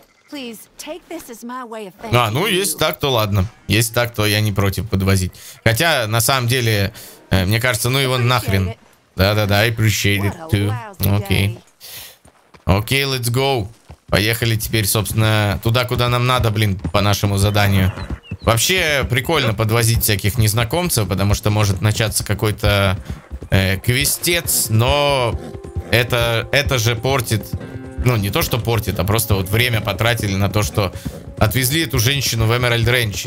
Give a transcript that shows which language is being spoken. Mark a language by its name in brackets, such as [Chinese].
[Russian] А, ну, если так, то ладно. Если так, то я не против подвозить. Хотя, на самом деле, мне кажется, ну его нахрен. Да-да-да, [English] I appreciate it too. [Russian] Окей. [English] Окей, let's go. [Russian] Поехали теперь, собственно, туда, куда нам надо, блин, по нашему заданию. Вообще, прикольно подвозить всяких незнакомцев, потому что может начаться какой-то квестец, но это же портит... Ну, не то, что портит, а просто вот время потратили на то, что отвезли эту женщину в Эмеральд Рэнч.